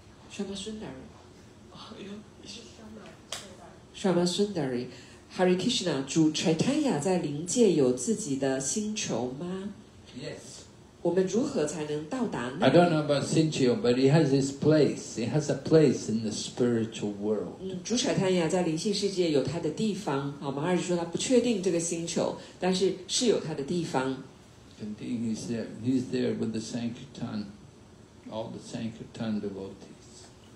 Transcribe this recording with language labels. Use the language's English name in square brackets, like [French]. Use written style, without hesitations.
[Chinese] Shama Sundar， 哎呦 ，Shama Sundar。 Hare Krishna， 主 Chaitanya 在灵界有自己的星球吗 [English] ？Yes。 [Chinese] 我们如何才能到达那 [English] ？I don't know about 星球 ，but he has his place. He has a place in the spiritual world.、 [Chinese] 主 Chaitanya 在灵性世界有他的地方。好，马尔说他不确定这个星球，但是是有他的地方。 [English] Indeed, he's there. He's there with the Sankirtan, all the Sankirtan devotees.